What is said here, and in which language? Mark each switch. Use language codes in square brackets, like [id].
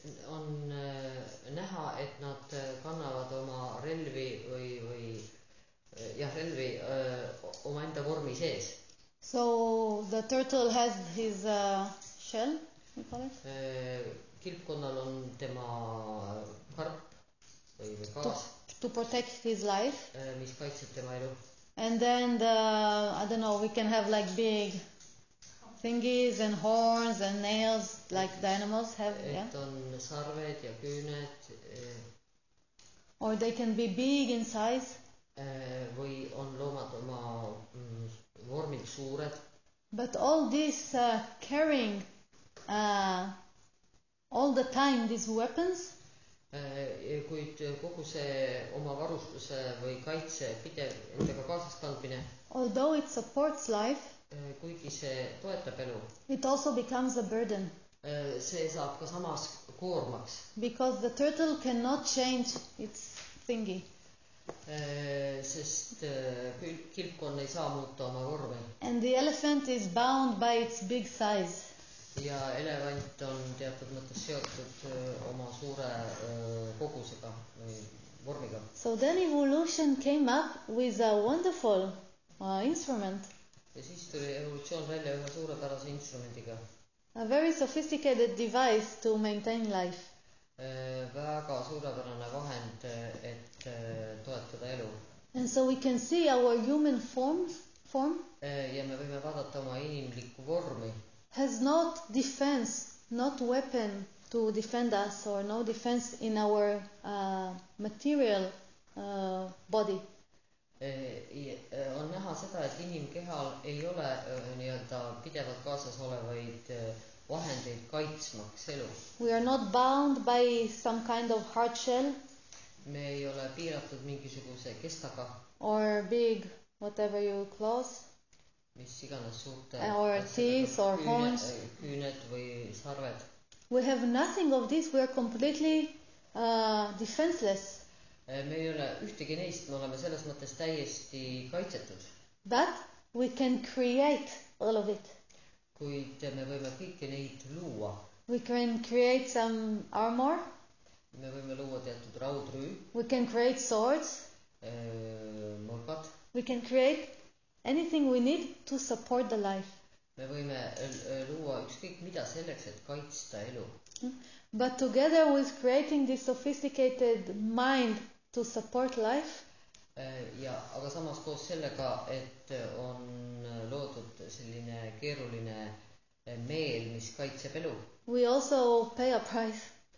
[et] On näha, et nad kannavad oma relvi või ja relvi oma enda vormi sees. [en] So the turtle has his shell, we call it. [et] Kilpkonnal on tema karp või kaas. [en] To protect his life. [et] Mis kaitseb tema elu. [en] And then I don't know, we can have like big thingies and horns and nails like the animals have, yeah? [et] Et on sarved ja küüned. [en] Or they can be big in size. [et] Või on loomad oma vormid suured. [en] But all this carrying all the time these weapons. [et] Kuid kogu see oma varustuse või kaitse pidev endega kaasas kandmine. [en] Although it supports life. [et] Kuigi see toetab elu. [en] It also becomes a burden. [et] See saab ka samas koormaks. [en] Because the turtle cannot change its thingy. [et] Sest kilpkonn ei saa muuta oma vormi. [en] And the elephant is bound by its big size. [et] Ja elevant on teatud mõttes seotud oma suure kogusega või vormiga. [en] So then evolution came up with a wonderful instrument. [et] Ja siis tuli evolutsioon välja ühe suurepärase instrumentiga. [en] A very sophisticated device to maintain life. [et] Väga suurepärane vahend, et toetada elu. [en] And so we can see our human form [et] ja me võime vaadata oma inimliku vormi. [en] Has not defense, not weapon to defend us, or no defense in our material body. [et] On näha seda, et inimkehal ei ole nii-öelda pidevalt kaasas olevaid vahendeid kaitsmaks elu. [en] We are not bound by some kind of hard shell. [et] Me ei ole piiratud mingisuguse kestaga. [en] Or big, whatever you close. [et] Mis iganes suurte. [en] Or teeth or horns. [et] Küüned või sarved. [en] We have nothing of this. We are completely defenseless. [et] Me ei ole ühtegi neist, me oleme selles mõttes täiesti kaitsetud. [en] But we can create all of it. [et] Kuid me võime kõike neid luua. [en] We can create some armor. [et] Me võime luua teatud raudrüü. [en] We can create swords. [et] Morgad. [en] We can create anything we need to support the life. [et] Me võime luua ükskõik mida selleks, et kaitsta elu. [en] But together with creating this sophisticated mind to support life. [et] Ja aga samas koos sellega, et on loodud selline keeruline meel, mis kaitseb elu. [en] We also pay a price.